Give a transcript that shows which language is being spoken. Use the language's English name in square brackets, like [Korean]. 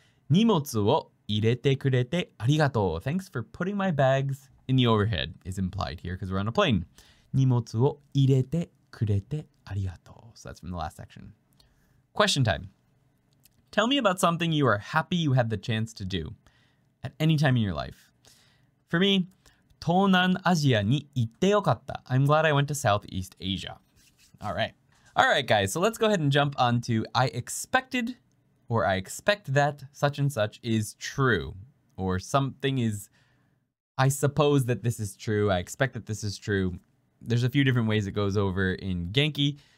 [Japanese] 荷物を入れてくれてありがとう。 [English] Thanks for putting my bags in the overhead is implied here because we're on a plane. [Japanese] 荷物を入れてくれてありがとう。 [English] So that's from the last section. Question time. Tell me about something you are happy you had the chance to do at any time in your life. For me, [Japanese] 東南アジアに行ってよかった。 [English] I'm glad I went to Southeast Asia. All right, guys. So let's go ahead and jump on to I expect that such and such is true. Or something is, I suppose that this is true. I expect that this is true. There's a few different ways it goes over in Genki.